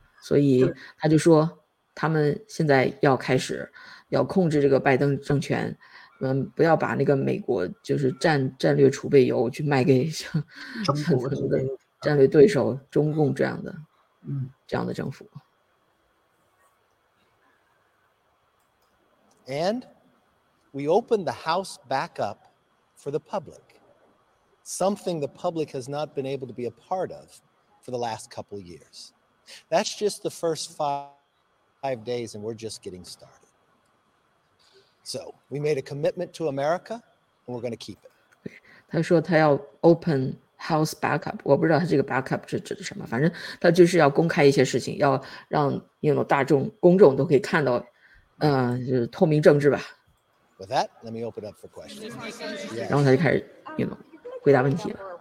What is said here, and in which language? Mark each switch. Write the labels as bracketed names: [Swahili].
[Chinese] 所以他就说他们现在要开始要控制这个拜登政权，不要把那个美国就是战略储备油去卖给像中国的战略对手中共这样的这样的政府。 [English] And we open the house back up for the public, something the public has not been able to be a part of for the last couple of years. That's just the first five days, and we're just getting started. So we made a commitment to America, and we're going to keep it. [Chinese] 他说他要 [English] open house back up， [Chinese] 我不知道他这个 back up 是指的什么，反正他就是要公开一些事情，要让大众公众都可以看到，就是透明政治吧。 [English] With that, let me open up for questions. [Chinese] 然后他就开始回答问题了。